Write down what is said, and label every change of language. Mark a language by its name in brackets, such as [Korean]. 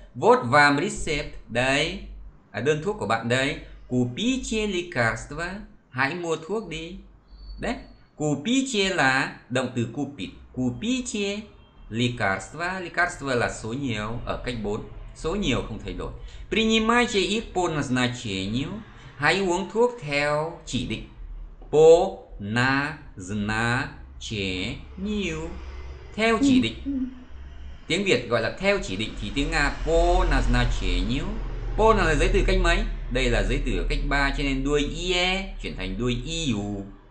[Russian] Вот вам рецепт. [Vietnamese] Đấy. À, đơn thuốc của bạn đây. [Russian] Купите лекарство. [Vietnamese] Hãy mua thuốc đi. Đấy. Купите là động từ купить. [Russian] Купите лекарство. [Vietnamese] Лекарство là số nhiều ở cách 4. Số nhiều không thay đổi. [Russian] Принимайте их по назначению. [Vietnamese] Hãy uống thuốc theo chỉ định. [Russian] По назначению. [Vietnamese] Theo chỉ định, tiếng Việt gọi là theo chỉ định, thì tiếng Nga po naznachenie nhiêu. Po là giấy từ cách mấy? Đây là giấy từ ở cách 3, cho nên đuôi ie chuyển thành đuôi iu.